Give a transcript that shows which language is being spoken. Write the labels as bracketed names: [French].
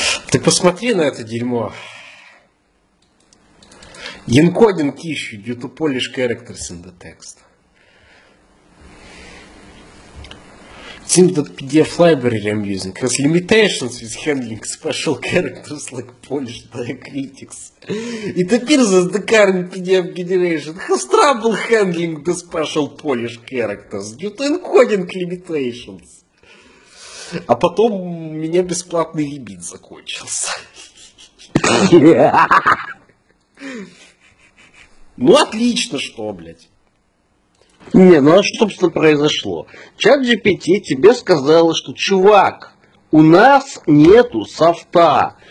[Russian] Ты посмотри на это дерьмо. [English] Encoding issue due to Polish characters in the text. It seems that PDF library I'm using has limitations with handling special characters like Polish diacritics. It appears that the current PDF generation has trouble handling the special Polish characters due to encoding limitations. [Russian] А потом у меня бесплатный лимит закончился. Ну отлично, что, блядь? Не, ну а что, собственно, произошло? ChatGPT тебе сказала, что, чувак, у нас нету софта.